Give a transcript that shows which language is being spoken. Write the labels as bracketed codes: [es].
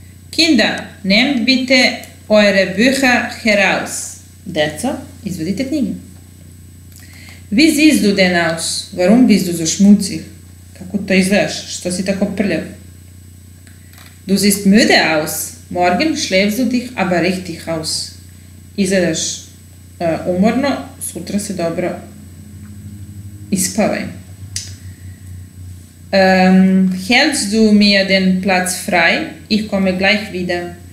[de] Kinder, nehmt bitte eure Bücher heraus. [sr] Deco, izvedite knjige. [de] Wie siehst du denn aus? Warum bist du so schmutzig? [sr] Kako to izgledaš? Što si tako prljav? [de] Du siehst müde aus. Morgen schläfst du dich aber richtig aus. [sr] Izgledaš umorno, sutra se dobro ispavaj. [de] Hältst du mir den Platz frei? Ich komme gleich wieder.